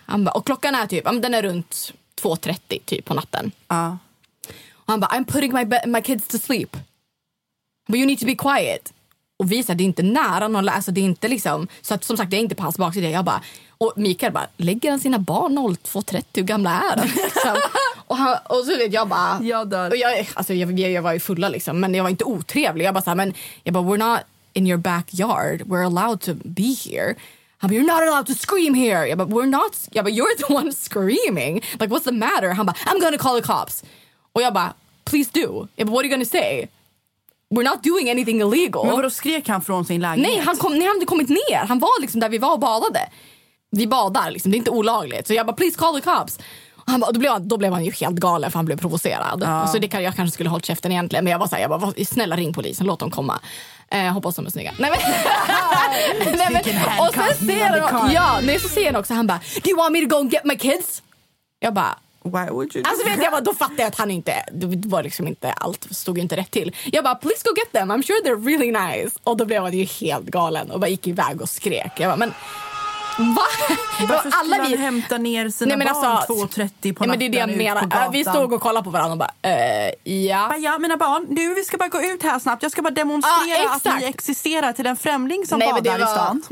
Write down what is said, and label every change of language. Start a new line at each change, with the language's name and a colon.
Swedish: Han bara, och klockan är typ, den är runt 2:30 typ på natten. Och han bara,
English: I'm putting my kids to sleep, but you need to be quiet.
Swedish: Och visar det inte nära någon, alltså det är inte liksom, så att, som sagt, det är inte på hans baksida. Jag bara, och Mikael bara, lägger han sina barn 02:30, hur gamla är han? och så vet jag bara, jag dör. Och jag var ju fulla liksom, men jag var inte otrevlig. Jag bara så här, men jag bara,
English: we're not in your backyard, we're allowed to be here.
Swedish: Han bara,
English: you're not allowed to scream here.
Swedish: Jag bara,
English: we're not, jag bara, you're the one screaming. Like, what's the matter?
Swedish: Han bara,
English: I'm gonna call the cops.
Swedish: Och jag bara,
English: please do. Jag bara, what are you gonna say? We're not doing anything illegal.
Swedish: Men vadå, skrek han från sin lägenhet? Nej, han hade kommit ner. Han var liksom där vi var och badade. Vi badar liksom, det är inte olagligt. Så jag bara,
English: please call the cops.
Swedish: Och han bara, då blev han ju helt galen, för han blev provocerad. Ja. Så det kan, jag kanske skulle ha hållit käften egentligen. Men jag var så här, jag bara, snälla ring polisen, låt dem komma. Hoppas de är snygga. Nej men, nej, men. Och sen ser han, ja, men så ser han också, han bara,
English: do you want me to go and get my kids?
Swedish: Jag bara,
English: why would you?
Swedish: Alltså vet jag, bara, då fattade jag att han inte, det var liksom inte, allt stod ju inte rätt till. Jag bara,
English: please go get them, I'm sure they're really nice.
Swedish: Och då blev han ju helt galen och bara gick iväg och skrek. Jag bara, men va? Varför skulle alla vi hämta ner sina, nej, men alltså, barn 2:30 på natten? Men det är det jag menar. Vi stod och kollade på varandra och bara, ja. Ja, mina barn, nu vi ska bara gå ut här snabbt. Jag ska bara demonstrera att ni existerar till en främling som, nej, badar var i stan.